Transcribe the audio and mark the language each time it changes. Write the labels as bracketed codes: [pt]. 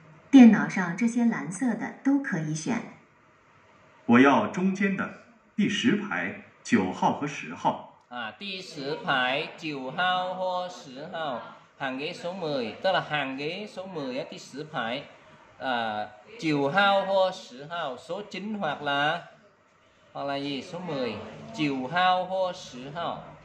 [zh] 电脑上这些蓝色的都可以选。我要中间的第十排九号和十号。啊，第十排九号或十号。 [vi] hàng ghế số mười, tức là hàng ghế số mười á, [zh] 第十排, [vi] à, [zh] 九号或十号, [vi] số chín hoặc là. [zh] 好了，一数目九号或十号。